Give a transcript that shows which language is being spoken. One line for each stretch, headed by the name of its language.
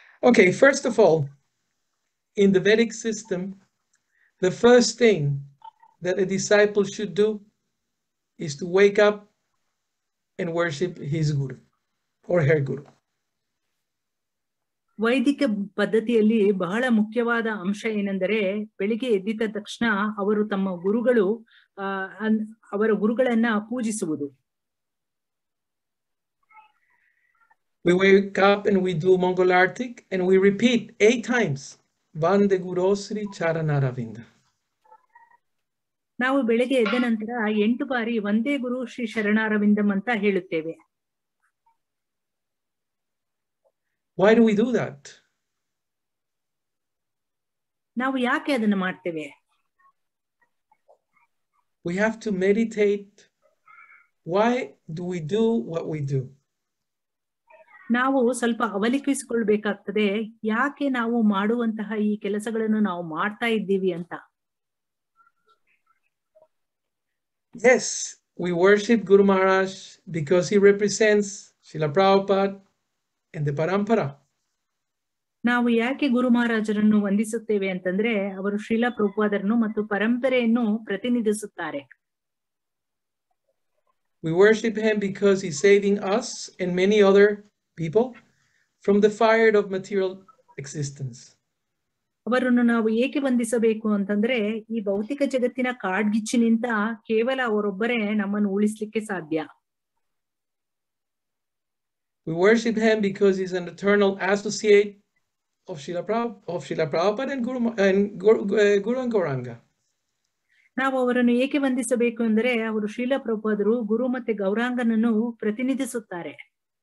English: Okay, first of all, in the Vedic system, the first thing that a disciple should do is to wake up and worship his guru or her guru.
Kannada: ವೈದಿಕ ಪದ್ಧತಿಯಲ್ಲಿ ಬಹಳ ಮುಖ್ಯವಾದ ಅಂಶ ಏನೆಂದರೆ, ಬೆಳಿಗ್ಗೆ ಎದ್ದಿದ್ದ ತಕ್ಷಣ ಅವರು ತಮ್ಮ ಗುರುಗಳು ಅವರ ಗುರುಗಳನ್ನ ಪೂಜಿಸುವುದು.
English: We wake up and we do Mangal Aarti and we repeat 8 times Vande Guru Sri Charanaravinda.
Kannada: ನಾವು ಬೆಳಿಗ್ಗೆ ಎದ್ದ ನಂತರ 8 ಬಾರಿ ಒಂದೇ ಗುರು ಶ್ರೀ ಶರಣಾರವಿಂದಂ ಅಂತ ಹೇಳುತ್ತೇವೆ.
English: Why do we do that?
Kannada: ನಾವು ಯಾಕೆ ಅದನ್ನು ಮಾಡ್ತೇವೆ?
English: We have to meditate. Why do we do what we do?
Kannada: ನಾವು ಸ್ವಲ್ಪ ಅವಲೋಕಿಸಿಕೊಳ್ಳಬೇಕಾಗ್ತದೆ, ಯಾಕೆ ನಾವು ಮಾಡುವಂತಹ ಈ ಕೆಲಸಗಳನ್ನು ನಾವು ಮಾಡ್ತಾ ಇದ್ದೀವಿ ಅಂತ.
English: Yes, we worship Guru Maharaj because he represents Srila Prabhupada and the parampara.
Kannada: ನಾವು ಯಾಕೆ ಗುರು ಮಹಾರಾಜರನ್ನು ವಂದಿಸುತ್ತೇವೆ ಅಂತಂದ್ರೆ, ಅವರು ಶ್ರೀಲ ಪ್ರಭುಪಾದರನ್ನು ಮತ್ತು ಪರಂಪರೆಯನ್ನು ಪ್ರತಿನಿಧಿಸುತ್ತಾರೆ.
English: We worship him because he's saving us and many other people from the fire of material existence.
Kannada: ಅವರನ್ನು ನಾವು ಏಕೆ ವಂದಿಸಬೇಕು ಅಂತಂದ್ರೆ, ಈ ಭೌತಿಕ ಜಗತ್ತಿನ ಕಾಡ್ಗಿಚ್ಚಿನಿಂದ ಕೇವಲ ಅವರೊಬ್ಬರೇ ನಮ್ಮನ್ನು ಉಳಿಸ್ಲಿಕ್ಕೆ ಸಾಧ್ಯ.
English: We worship him because he's an eternal associate of Srila Prabhupada and Guru and Gauranga.
Kannada: ನಾವು ಅವರನ್ನು ಏಕೆ ವಂದಿಸಬೇಕು ಅಂದರೆ, ಅವರು ಶ್ರೀಲ ಪ್ರಭುಪಾದರು ಗುರು ಮತ್ತೆ ಗೌರಾಂಗನನ್ನು ಪ್ರತಿನಿಧಿಸುತ್ತಾರೆ.